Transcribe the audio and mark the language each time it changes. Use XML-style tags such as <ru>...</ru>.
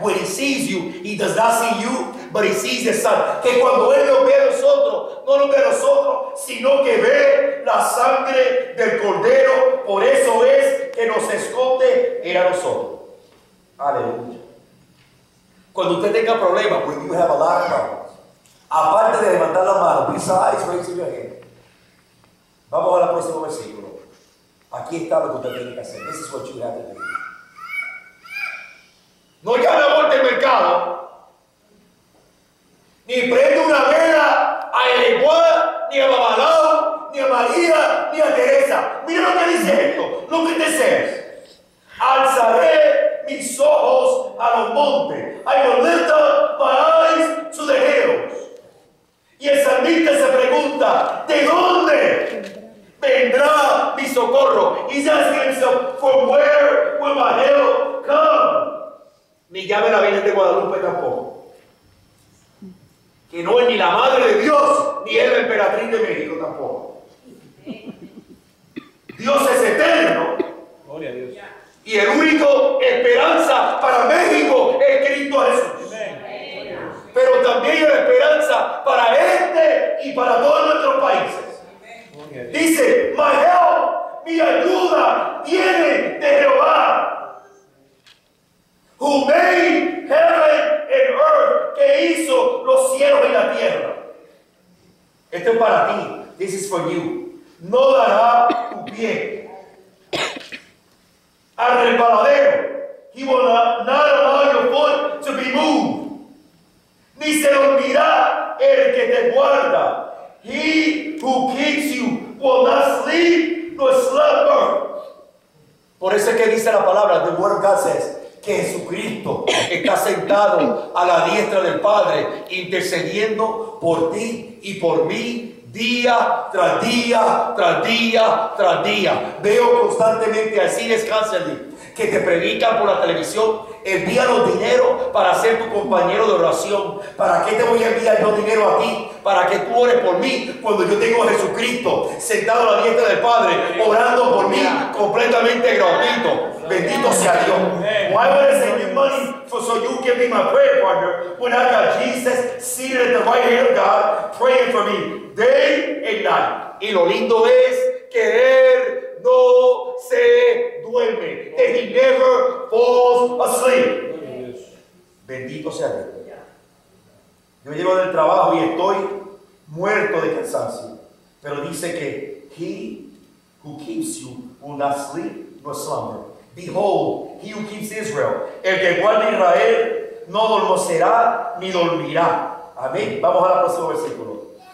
<en>When he sees you, he does not see you, but he sees the Son.</en> <es>Que cuando él nos ve a nosotros, no nos ve a nosotros, sino que ve la sangre del Cordero. Por eso es que nos esconde en a nosotros. Aleluya. Cuando usted tenga problemas,</es> <en>when you have a lot of problems,</en> <es>aparte de levantar la mano,</es> <en>besides raising your hand,</en> <es>vamos a la próxima versículo. Aquí está lo que usted tiene que hacer.</es> <en>This is what you have to do.</en> <es>No llame a muerte el mercado. Ni prende una vela a Eleguá, ni a Babalao, ni a María, ni a Teresa. Mira lo que dice esto. Lo que dice es: alzaré mis ojos a los montes.</es> <en>I will lift up my eyes to the hills.</en> <es>Y el salmista se pregunta: ¿de dónde vendrá mi socorro?</es> <en>He's asking himself, from where will my help come?</en> <es>Ni llame la Virgen de Guadalupe tampoco. Que no es ni la madre de Dios, ni es la emperatriz de México tampoco. Dios es eterno. Gloria a Dios. Y el único esperanza para México es Cristo Jesús. Pero también la esperanza para este y para todos nuestros países. Dice,</es> <en>my help,</en> <es>mi ayuda viene de Jehová.</es> <en>Who made heaven and earth,</en> <es>que hizo los cielos y la tierra. Esto es para ti.</es> <en>This is for you.</en> <es>No dará tu pie al resbaladero.</es> <en>He will not allow your foot to be moved.</en> <es>Ni se olvidará el que te guarda.</es> <en>He who keeps you will not sleep nor slumber.</en> <es>Por eso es que dice la palabra,</es> <en>the word of God says,</en> <es>que Jesucristo está sentado a la diestra del Padre, intercediendo por ti y por mí, día tras día, tras día, tras día. Veo constantemente a Cines Cancelly, que te predica por la televisión, envía los dinero para ser tu compañero de oración. ¿Para qué te voy a enviar yo dinero a ti? Para que tú ores por mí, cuando yo tengo a Jesucristo sentado a la diestra del Padre, orando por mí, completamente gratuito. Bendito sea Dios.</es> <en>Why would I send you money for so you can be my prayer partner when I got Jesus seated at the right hand of God praying for me day and night?</en> <es>Y lo lindo es que Él no se duerme.</es> <en>That He never falls asleep.</en> <es>Bendito sea Dios. Yo llego del trabajo y estoy muerto de cansancio. Pero dice que</es> <en>He who keeps you will not sleep nor slumber. Behold, he who keeps Israel,</en> <es>el que guarda Israel, no dormirá ni dormirá. Amén. Vamos a la próxima versículo.</es>